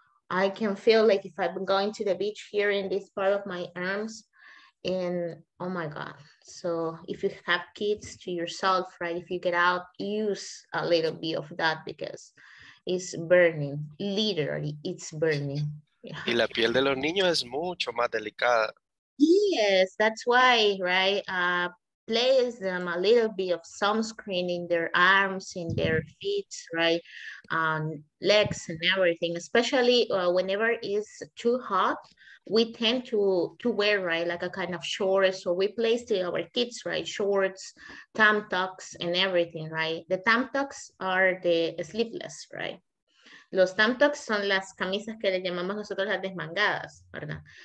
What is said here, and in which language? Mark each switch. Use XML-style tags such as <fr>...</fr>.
<en>I can feel like if I'm going to the beach here in this part of my arms, and oh my God, so if you have kids to yourself, right, if you get out, use a little bit of that because it's burning, literally, it's burning.</en> <es>Y la piel de los niños es mucho más delicada.</es> <en>Yes, that's why, right, place them a little bit of sunscreen in their arms, in their feet, right, legs and everything, especially whenever it's too hot. We tend to wear, right, like a kind of shorts, or we place to our kids, right, shorts, tank tops, and everything, right? The tank tops are the sleeveless, right?</en> <es>Los tank tops son las camisas que le llamamos nosotros las desmangadas, ¿verdad?</es>